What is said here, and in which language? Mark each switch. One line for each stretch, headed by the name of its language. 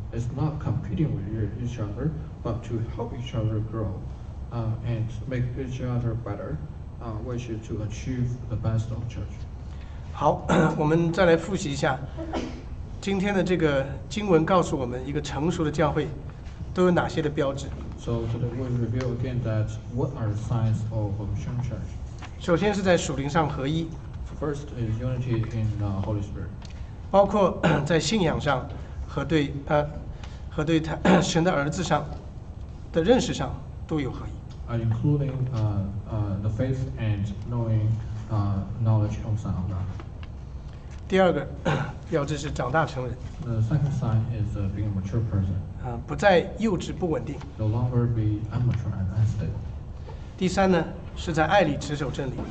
English: It's not competing with each other, but to help each other grow, and make each other better. Which is to achieve the best of church.
Chinese: 好，我们再来复习一下今天的这个经文告诉我们一个成熟的教会都有哪些的标志。
English: So today we review again that what are the signs of a mature church.
Chinese: 首先是在属灵上合一。
English: First is unity in the Holy Spirit.
Chinese: 包括在信仰上和对和对他神的儿子上的认识上都有合一。
English: Including the faith and knowing knowledge of Son of God.
Chinese: 第二个标志是长大成人。
English: The second sign is being a mature person.
Chinese: 不再幼稚不稳定。
English: No longer be immature and unstable.
Chinese: 第三呢是在爱里持守真理。